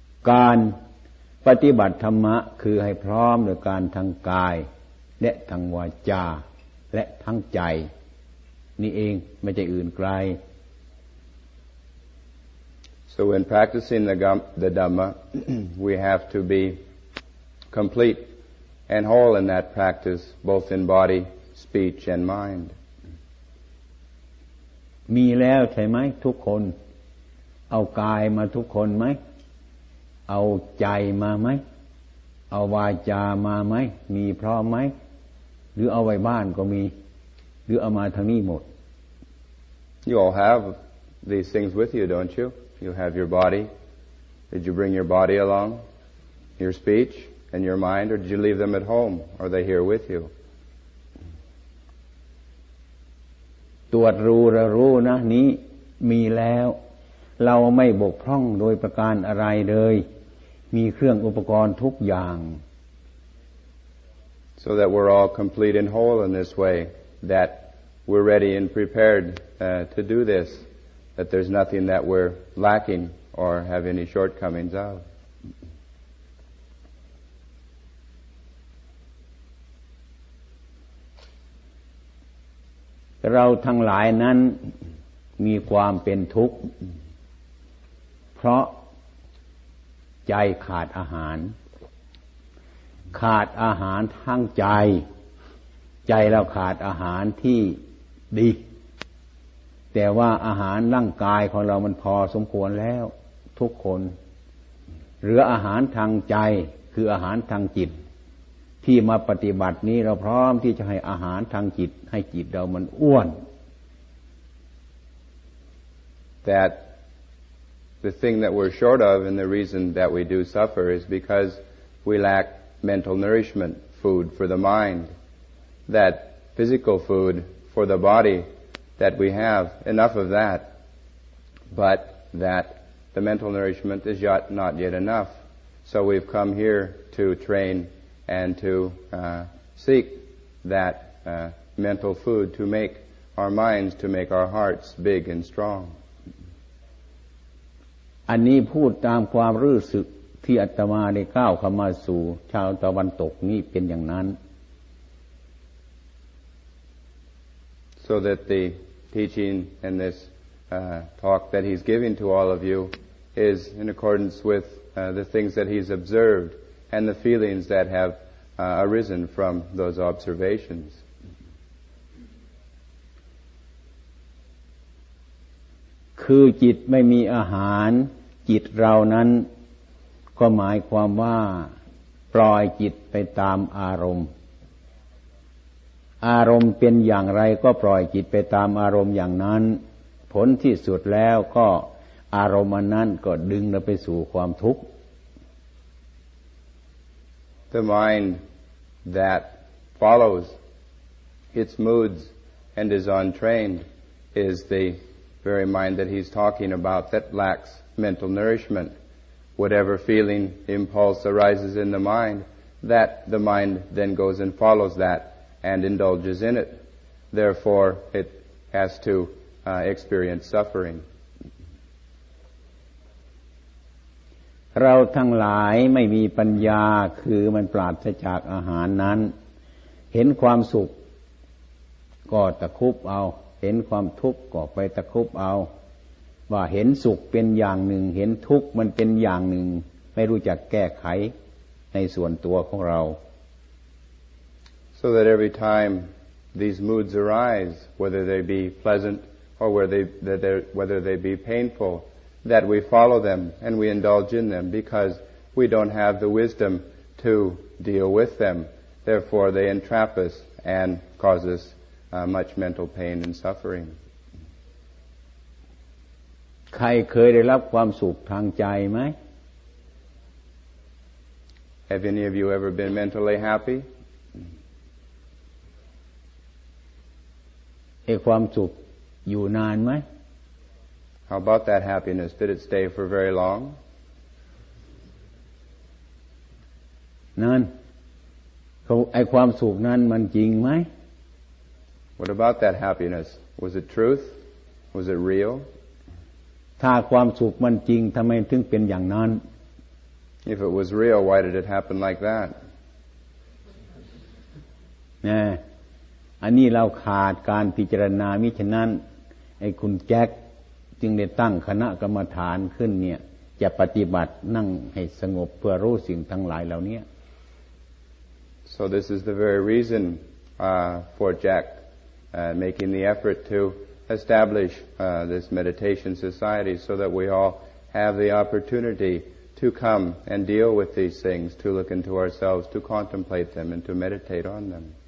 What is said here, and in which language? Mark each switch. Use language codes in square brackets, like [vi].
[th] การปฏิบัติธรรมะคือให้พร้อมด้วยการทั้งกายและทั้งวาจาและทั้งใจ นี่เองไม่ใช่อื่นไกล [en] So when practicing the Dhamma we have to be complete and whole in that practice both in body speech and mind [th] มีแล้วใช่ไหมทุกคนเอากายมาทุกคนไหมเอาใจมาไหมเอาวาจามาไหมมีพร้อมไหมหรือเอาไว้บ้านก็มีหรือเอามาทางนี้หมด [en] You all have these things with you, don't you? You have your body. Did you bring your body along? Your speech and your mind, or did you leave them at home? Are they here with you? [th] ตรวจรู้ระรู้นะนี้มีแล้วเราไม่บกพร่องโดยประการอะไรเลยมีเครื่องอุปกรณ์ทุกอย่าง [en] So that we're all complete and whole in this way, that we're ready and prepared to do this, that there's nothing that we're lacking or have any shortcomings of. [th] เราทั้งหลายนั้นมีความเป็นทุกข์เพราะใจขาดอาหารขาดอาหารทั้งใจใจเราขาดอาหารที่ดี แต่ว่าอาหารร่างกายของเรามันพอสมควรแล้วทุกคนเหลืออาหารทางใจคืออาหารทางจิตที่มาปฏิบัตินี้เราพร้อมที่จะให้อาหารทางจิตให้จิตเรามันอ้วน [en] thatThe thing that we're short of and the reason that we do suffer is because we lack mental nourishment, food for the mind, that physical food for the body that we have, enough of that, but that the mental nourishment is yet not yet enough. So we've come here to train and to seek that mental food to make our minds, to make our hearts big and strong. [th] อันนี้พูดตามความรู้สึกที่อาตมาได้ก้าวเข้ามาสู่ชาวตะวันตกนี้เป็นอย่างนั้น [en] So that the teaching and this talk that he's giving to all of you is in accordance with the things that he's observed and the feelings that have arisen from those observations [th] คือจิตไม่มีอาหารจิตเรานั้นก็หมายความว่าปล่อยจิตไปตามอารมณ์อารมณ์เป็นอย่างไรก็ปล่อยจิตไปตามอารมณ์อย่างนั้นผลที่สุดแล้วก็อารมณ์นั้นก็ดึงเราไปสู่ความทุกข์ [en] The mind that follows its moods and is untrained is the very mind that he's talking about that lacksmental nourishment whatever feeling impulse arises in the mind that the mind then goes and follows that and indulges in it therefore it has to experience suffering [th] เราทั้งหลายไม่มีปัญญาคือมันปราศจากอาหารนั้นเห็นความสุขก็ตะคุบเอาเห็นความทุกข์ก็ไปตะคุบเอาว่าเห็นสุขเป็นอย่างหนึ่งเห็นทุกข์มันเป็นอย่างหนึ่งไม่รู้จักแก้ไขในส่วนตัวของเรา [en] So that every time these moods arise whether they be pleasant or whether they be painful that we follow them and we indulge in them because we don't have the wisdom to deal with them therefore they entrap us and cause us much mental pain and suffering [th] ใครเคยได้รับความสุขทางใจไหม [en] Have any of you ever been mentally happy? [th] ไอ้ความสุขอยู่นานไหม [en] How about that happiness? Did it stay for very long? [th] นั่นไอ้ความสุขนั้นมันจริงไหม [en] What about that happiness? Was it truth? Was it real? [th] ถ้าความสุขมันจริงทำไมถึงเป็นอย่างนั้น [en] If it was real, why did it happen like that? [th] นะ อันนี้เราขาดการพิจารณามิฉะนั้นไอ้คุณแจ็คจึงได้ตั้งคณะกรรมฐานขึ้นเนี่ยจะปฏิบัตินั่งให้สงบเพื่อรู้สิ่งทั้งหลายเหล่านี้ [en] So this is the very reason for Jack making the effort to establish this meditation society so that we all have the opportunity to come and deal with these things, to look into ourselves, to contemplate them and to meditate on them.